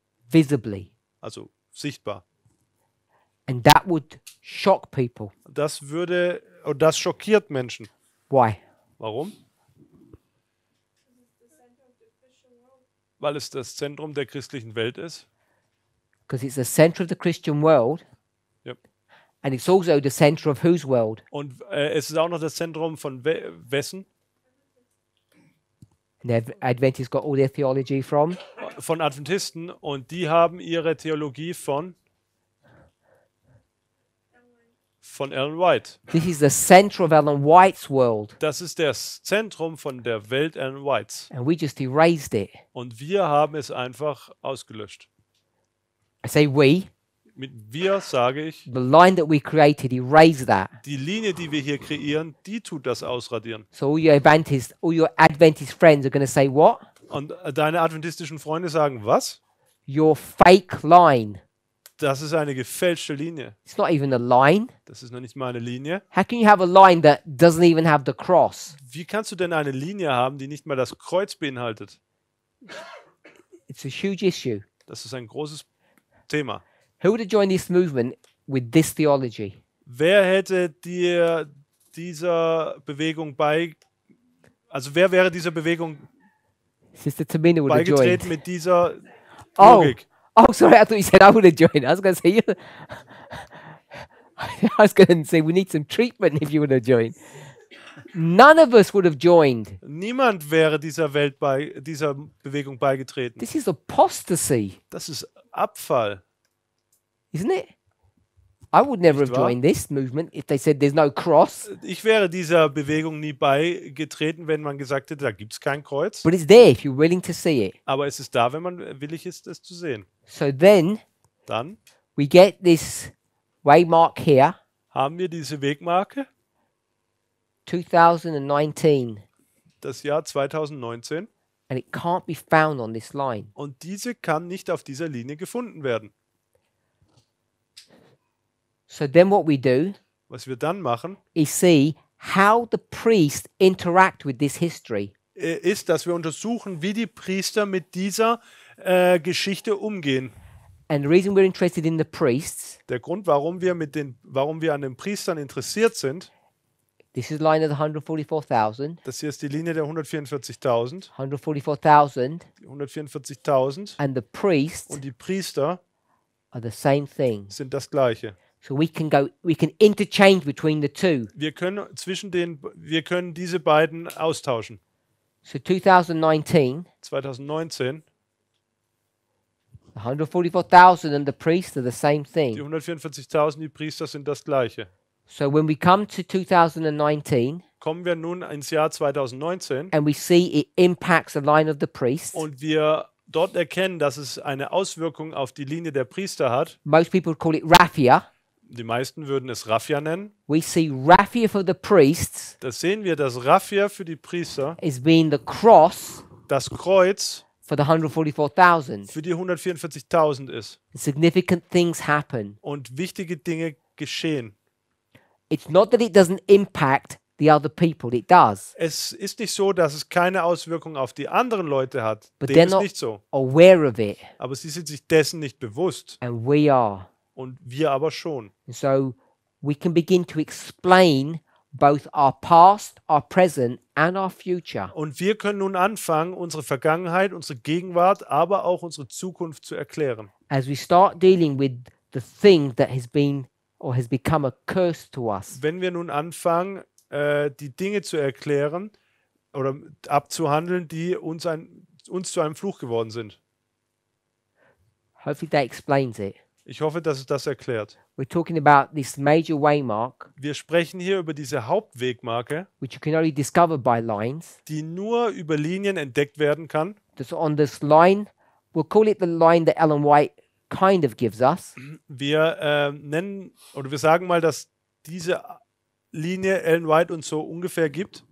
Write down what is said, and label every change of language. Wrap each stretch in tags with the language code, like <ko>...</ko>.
<en>Visibly.</en> <de>Also sichtbar.</de> <en>And that would shock people.</en> <de>Das würde, und das schockiert Menschen.</de> <en>Why?</en> <de>Warum? Weil es das Zentrum der christlichen Welt ist.</de> <en>Because it's the center of the Christian world. Yep. And it's also the center of whose world?</en> <de>Und es ist auch noch das Zentrum von wessen?</de> <en>And Adventists got all their theology from?</en> <de>Von Adventisten, und die haben ihre Theologie von? Von Ellen White.</de> <en>This is the center of Ellen White's world.</en> <de>Das ist das Zentrum von der Welt Ellen Whites.</de> <en>And we just erased it.</en> <de>Und wir haben es einfach ausgelöscht.</de> <en>I say we.</en> <de>Mit wir sage ich.</de> <en>The line that we created, erase that.</en> <de>Die Linie, die wir hier kreieren, die tut das ausradieren.</de> <en>So all your Adventist friends are going to say what?</en> <de>Und deine adventistischen Freunde sagen was?</de> <en>Your fake line.</en> <de>Das ist eine gefälschte Linie.</de> <en>It's not even a line.</en> <de>Das ist noch nicht mal eine Linie.</de> <en>How can you have a line that doesn't even have the cross?</en> <de>Wie kannst du denn eine Linie haben, die nicht mal das Kreuz beinhaltet?</de> <en>It's a huge issue.</en> <de>Das ist ein großes Thema.</de> <en>Who would have joined this movement with this theology?</en> <de>Wer hätte dir dieser Bewegung bei, also wer wäre dieser Bewegung</de> <en>Sister Tamina would</en> <de>beigetreten</de> <en>have joined.</en> <de>Mit dieser Logik?</de> <en>Oh, sorry, I thought you said I would have joined. I was going to say you. I was going to say we need some treatment if you would have joined. None of us would have joined.</en> <de>Niemand wäre dieser Welt bei dieser Bewegung beigetreten.</de> <en>This is apostasy.</en> <de>Das ist Abfall.</de> <en>Isn't it? I would never have joined this movement if they said there's no cross.</en> <de>Ich wäre dieser Bewegung nie beigetreten, wenn man gesagt hätte, da gibt's kein Kreuz.</de> <en>But it's there if you're willing to see it.</en> <de>Aber es ist da, wenn man willig ist, es zu sehen.</de> <en>So then,</en> <de>dann</de> <en>we get this waymark here.</en> <de>Haben wir diese Wegmarke?</de> <en>2019.</en> <de>Das Jahr 2019.</de> <en>And it can't be found on this line.</en> <de>Und diese kann nicht auf dieser Linie gefunden werden.</de> <en>So then what we do,</en> <de>was wir dann machen,</de> <en>is see how the priests interact with this history.</en> <de>Ist, dass wir untersuchen, wie die Priester mit dieser Geschichte umgehen.</de> <en>And the reason we're interested in the priests,</en> <de>der Grund, warum wir mit den, warum wir an den Priestern interessiert sind,</de> <en>this is the line of the 144,000.</en> <de>Das hier ist die Linie der 144,000.</de> <en>144,000.</en> <de>144,000.</de> <en>And the priests,</en> <de>und die Priester,</de> <en>are the same thing.</en> <de>Sind das gleiche.</de> <en>So we can go, we can interchange between the two.</en> <de>Wir können zwischen den, wir können diese beiden austauschen.</de> <en>So 2019.</en> <de>2019.</de> <en>144,000 and the priests are the same thing.</en> <de>Die 144,000, die Priester sind das gleiche.</de> <en>So when we come to 2019,</en> <de>kommen wir nun ins Jahr 2019,</de> <en>and we see it impacts the line of the priests,</en> <de>und wir dort erkennen, dass es eine Auswirkung auf die Linie der Priester hat.</de> <en>Most people call it raffia.</en> <de>Die meisten würden es raffia nennen.</de> <en>We see raffia for the priests.</en> <de>Das sehen wir, dass raffia für die Priester</de> <en>is being the cross,</en> <de>das Kreuz</de> <en>for the 144,000.</en> <de>Für die 144,000 ist.</de> <en>Significant things happen.</en> <de>Und wichtige Dinge geschehen.</de> <en>It's not that it doesn't impact the other people, it does.</en> <de>Es ist nicht so, dass es keine Auswirkung auf die anderen Leute hat.</de> <en>But</en> <de>dem ist nicht so.</de> <en>Aware of it.</en> <de>Aber sie sind sich dessen nicht bewusst.</de> <en>And we are.</en> <de>Und wir aber schon.</de> <en>And so we can begin to explain both our past, our present and our future.</en> <de>Und wir können nun anfangen, unsere Vergangenheit, unsere Gegenwart, aber auch unsere Zukunft zu erklären.</de> <en>As we start dealing with the thing that has been or has become a curse to us.</en> <de>Wenn wir nun anfangen, die Dinge zu erklären oder abzuhandeln, die uns ein, uns zu einem Fluch geworden sind.</de> <en>Hopefully that explains it.</en> <de>Ich hoffe, dass es das erklärt.</de> <en>We're talking about this major waymark.</en> <de>Wir sprechen hier über diese Hauptwegmarke,</de> <en>which you can only discover by lines,</en> <de>die nur über Linien entdeckt werden kann.</de> <en>That's on this line, we'll call it the line that Ellen White kind of gives us.</en> <de>Wir nennen oder wir sagen mal, dass diese Linie Ellen White uns so ungefähr gibt.</de>